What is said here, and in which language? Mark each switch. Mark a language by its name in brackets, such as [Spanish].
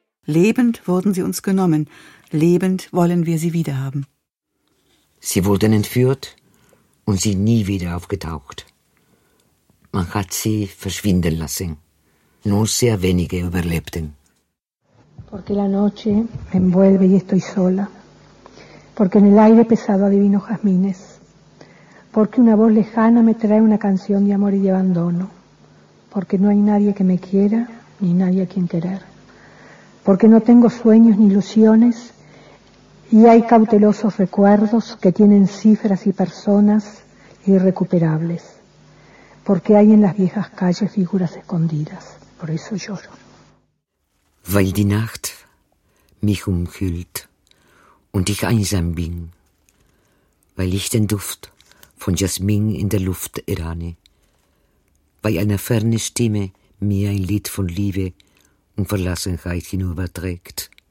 [German] Lebend wurden sie uns genommen. Lebend wollen wir sie wiederhaben. Sie wurden entführt und sind nie wieder aufgetaucht. Man hat sie verschwinden lassen. Nur sehr wenige überlebten. [Spanish] Porque la noche me envuelve y estoy sola. Porque en el aire pesado adivino jazmines. Porque una voz lejana me trae una canción de amor y de abandono. Porque no hay nadie que me quiera ni nadie a quien querer. Porque no tengo sueños ni ilusiones y hay cautelosos recuerdos que tienen cifras y personas irrecuperables. Porque hay en las viejas calles figuras escondidas. Por eso lloro. [German] Weil die Nacht mich umhüllt und ich einsam bin, weil ich den Duft von Jasmin in der Luft erahne, weil eine ferne Stimme mir ein Lied von Liebe und Verlassenheit hinüberträgt,